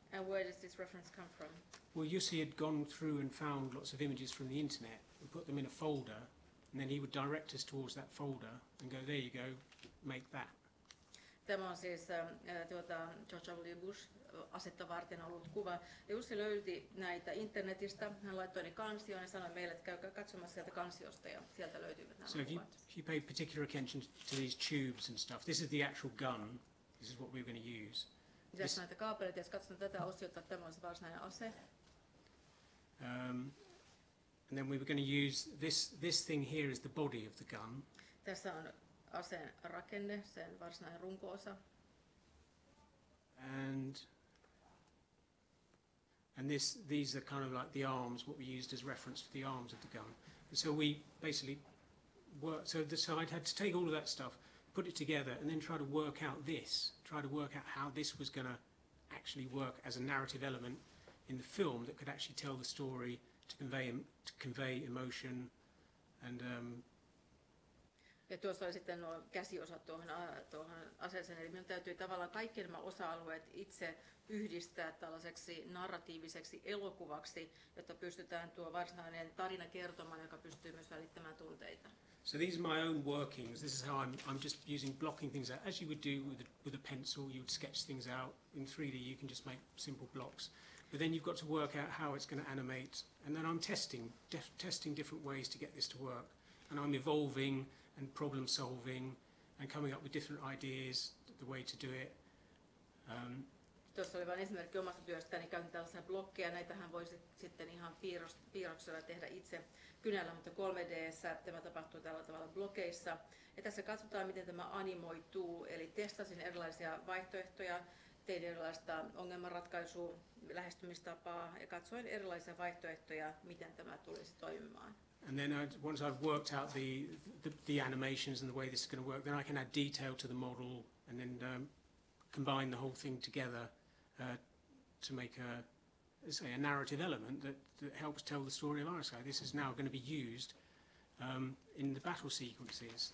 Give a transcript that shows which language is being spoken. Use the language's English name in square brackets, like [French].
[English] And where does this reference come from? Well, Jussi had gone through and found lots of images from the internet and put them in a folder, and then he would direct us towards that folder and go, there you go, make that. [Finnish] Tämä on siis George W. Bush asetta varten ollut kuva. Jussi löyti näitä internetistä, hän laittoi ne kansioon ja sanoi meille, että käykää katsomassa sieltä kansiosta ja sieltä löytyivät nämä kuvat. [English] So if you pay particular attention to these tubes and stuff, this is the actual gun, this is what we're going to use. [Finnish] Tässä on näitä kaapeleita, jos katsotaan tätä osiota, tämä on se varsinainen ase. [English] And then we were going to use this thing here is the body of the gun. [Finnish] Tässä on aseen rakenne, sen varsinainen runko-osa. [English] And these are kind of like the arms, what we used as reference for the arms of the gun. And so we basically worked, so I'd had to take all of that stuff, put it together, and then try to work out how this was going to actually work as a narrative element in the film that could actually tell the story to convey emotion and [Finnish] ja tuossa oli sitten nuo käsiosat tuohon aseeseen, eli minun täytyy tavallaan kaikki nämä osa-alueet itse yhdistää tällaiseksi narratiiviseksi elokuvaksi, jotta pystytään tuo varsinainen tarina kertomaan, joka pystyy myös välittämään tunteita. [English] So these are my own workings. This is how I'm just using blocking things out. As you would do with a pencil, you would sketch things out. In 3D you can just make simple blocks. But then you've got to work out how it's going to animate. And then I'm testing different ways to get this to work. And I'm evolving and problem solving and coming up with different ideas, the way to do it. [Finnish] Tuossa oli vain esimerkki omasta työstäni, käytin tällaisia blokkeja, näitähän voisi sitten ihan piirroksella tehdä itse kynällä, mutta 3D:ssä tämä tapahtuu tällä tavalla blokeissa. Ja tässä katsotaan, miten tämä animoituu, eli testasin erilaisia vaihtoehtoja, tein erilaista ongelmanratkaisua, lähestymistapaa ja katsoin erilaisia vaihtoehtoja, miten tämä tulisi toimimaan. [English] And then once I've worked out the animations and the way this is going to work, then I can add detail to the model and then combine the whole thing together to make a narrative element that helps tell the story of Iris Sky. This is now going to be used in the battle sequences.